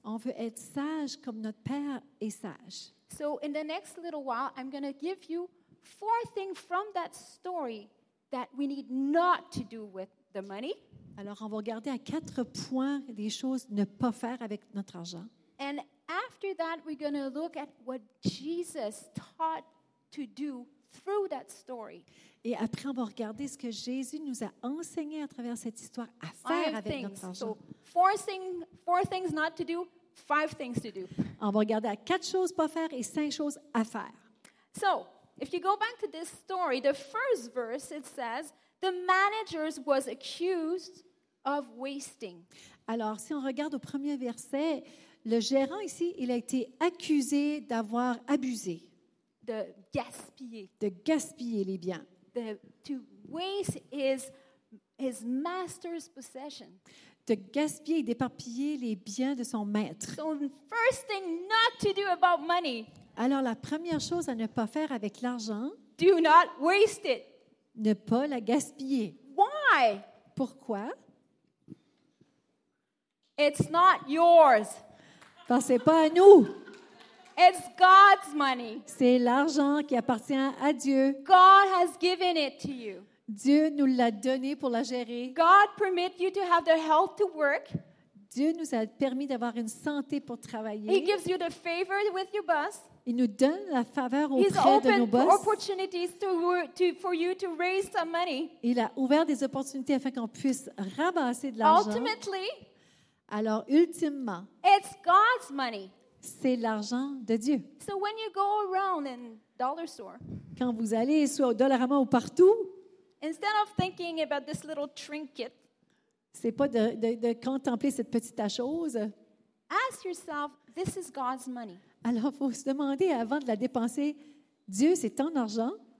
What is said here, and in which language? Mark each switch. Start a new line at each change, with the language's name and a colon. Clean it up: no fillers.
French: On veut être sage comme notre père est sage.
English: So in the next little while I'm going to give you four things from that story that we need not to do with the money.
French: Alors on va regarder à quatre points des choses ne pas faire avec notre argent.
English: And after that we're going to look at what Jesus taught to do through that story.
French: Et après, on va regarder ce que Jésus nous a enseigné à travers cette histoire à faire
English: five things.
French: Notre argent.
English: So, four things not to do, five things to do.
French: On va regarder à quatre choses pas faire et cinq choses à faire.
English: So, if you go back to this story, the first verse, it says, the manager was accused of wasting.
French: Alors, si on regarde au premier verset, le gérant ici, il a été accusé d'avoir abusé. De gaspiller les biens.
English: To waste is his master's possession.
French: De gaspiller et d'éparpiller les biens de son maître.
English: So first thing not to do about money.
French: Alors la première chose à ne pas faire avec l'argent.
English: Do not waste it.
French: Ne pas la gaspiller.
English: Why?
French: Pourquoi?
English: It's not yours.
French: Parce que c'est pas à nous.
English: It's God's money.
French: C'est l'argent qui appartient à Dieu.
English: God has given it to you.
French: Dieu nous l'a donné pour la gérer.
English: God permit you to have the health to work.
French: Dieu nous a permis d'avoir une santé pour travailler.
English: He gives you the favor with your boss.
French: Il nous donne la faveur auprès
English: He's opened
French: de nos boss.
English: Opportunities for you to raise some money.
French: Il a ouvert des opportunités afin qu'on puisse ramasser de l'argent.
English: Ultimately,
French: alors ultimement,
English: it's God's money.
French: C'est l'argent de Dieu.
English: So when you go around in dollar store,
French: quand vous allez soit au Dollarama ou partout,
English: instead of thinking about this little trinket,
French: c'est pas de contempler cette petite chose.
English: Ask yourself, this is God's money.
French: Alors faut se demander avant de la dépenser, Dieu, c'est ton argent.